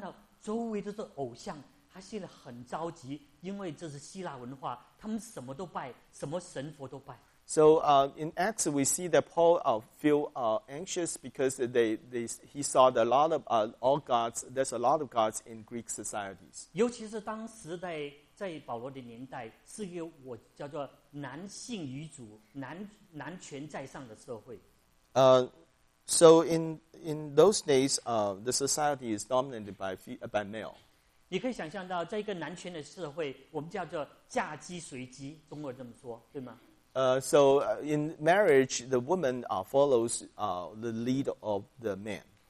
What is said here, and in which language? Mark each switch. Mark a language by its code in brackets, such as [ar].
[zh] 所以呢，在那里，当记在十七节，十七章，保罗去到那个希腊的地方，他看到周围都是偶像。他心里很着急，因为这是希腊文化，他们什么都拜，什么神佛都拜。 [en] So in Acts, we see that Paul feel anxious because he saw a lot of all gods. There's a lot of gods in Greek societies. [zh] 尤其是当时在保罗的年代，是一个我叫做男性女主、男权在上的社会。 [en] So in those days, the society is dominated by male. [zh] 你可以想象到，在一个男权的社会，我们叫做嫁鸡随鸡，中国这么说，对吗？ [en] So in marriage, the woman follows the lead of the man.